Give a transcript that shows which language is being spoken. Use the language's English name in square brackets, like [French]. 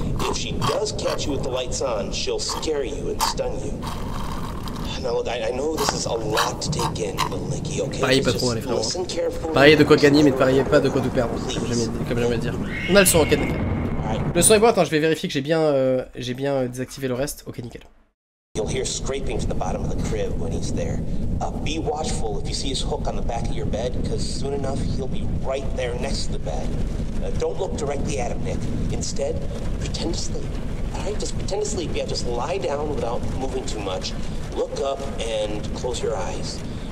[English] If she does catch you with the lights on, she'll scare you and stun you. Now look, I know this is a lot to take in, but Nikki, okay? [French] Pariez pas trop, les frérots. Pariez de quoi gagner, mais ne pariez pas de quoi tout perdre, comme j'aime dire. On a le son, ok, nickel. Le son est bon, attends, je vais vérifier que j'ai bien désactivé le reste. Ok, nickel. [English] You'll hear scraping from the bottom of the crib when he's there. Be watchful if you see his hook on the back of your bed, because soon enough he'll be right there next to the bed. Don't look directly at him, Nick. Instead, pretend to sleep. All right, just pretend to sleep. Yeah, just lie down without moving too much. Look up and close your eyes.